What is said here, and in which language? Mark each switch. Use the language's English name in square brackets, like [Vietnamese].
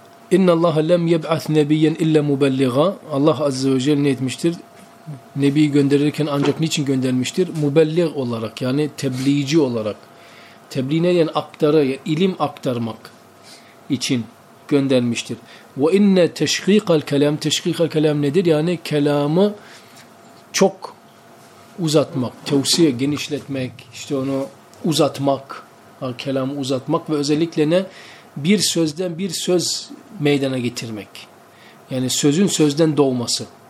[Arabic] İnne Allah lem yeb'at nebiyyen illa mubelliga. [Turkish] Allah Azze ve Celle ne etmiştir? Nebiyi gönderirken ancak niçin göndermiştir? Mubellig olarak yani tebliğci olarak. Tebliğ ne yani aktarı, ilim aktarmak için göndermiştir. [Arabic] وَاِنَّ تَشْخِيقَ الْكَلَامِ تَشْخِيقَ الْكَلَامِ [Turkish] nedir? Yani kelamı çok uzatmak, tevsiye, genişletmek, işte onu uzatmak, kelamı uzatmak ve özellikle ne? Bir sözden bir söz meydana getirmek. Yani sözün sözden doğması.